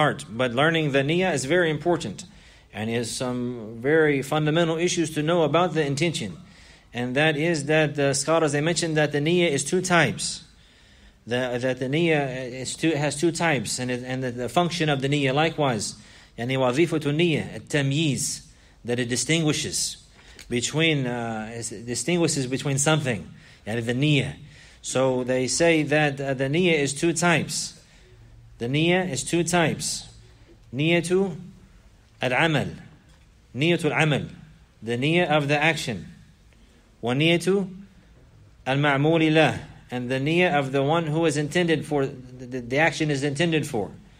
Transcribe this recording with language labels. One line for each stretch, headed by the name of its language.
English: But learning the niyyah is very important, and is some very fundamental issues to know about the intention. And that is that the scholars, they mentioned that the niyyah is two types. The niyyah has two types, and the function of the niyyah likewise.
Arabic: يعني وظيفة النية التمييز,
English: that it distinguishes. Distinguishes between something, yani the niyyah. So they say that the niyyah is two types. The niyyah is two types. Niyyatu al-amal, niyatul amal, the niyyah of the action, wa niyatu al-ma'muli lah, and the niyyah of the one who is intended for, the action is intended for.